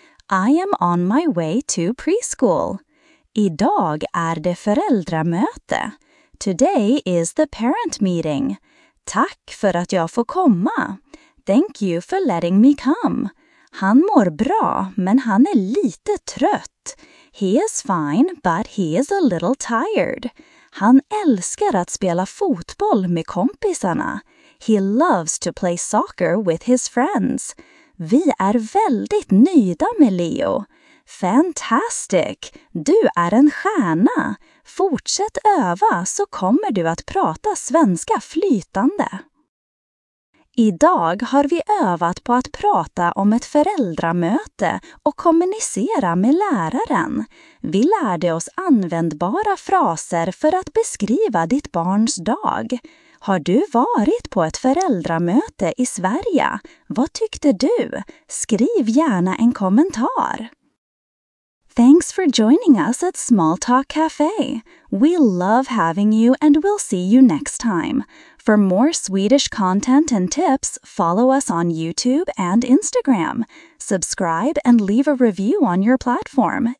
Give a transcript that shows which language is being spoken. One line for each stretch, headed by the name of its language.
English: I am on my way to preschool.
Swedish: Idag är det föräldramöte.
English: Today is the parent meeting.
Swedish: Tack för att jag får komma.
English: Thank you for letting me come.
Swedish: Han mår bra, men han är lite trött.
English: He is fine, but he is a little tired.
Swedish: Han älskar att spela fotboll med kompisarna.
English: He loves to play soccer with his friends.
Swedish: Vi är väldigt nöjda med Leo. Fantastic! Du är en stjärna. Fortsätt öva så kommer du att prata svenska flytande. Idag har vi övat på att prata om ett föräldramöte och kommunicera med läraren. Vi lärde oss användbara fraser för att beskriva ditt barns dag. Har du varit på ett föräldramöte i Sverige? Vad tyckte du? Skriv gärna en kommentar.
English: Thanks for joining us at Small Talk Cafe. We love having you and we'll see you next time. For more Swedish content and tips, follow us on YouTube and Instagram. Subscribe and leave a review on your platform.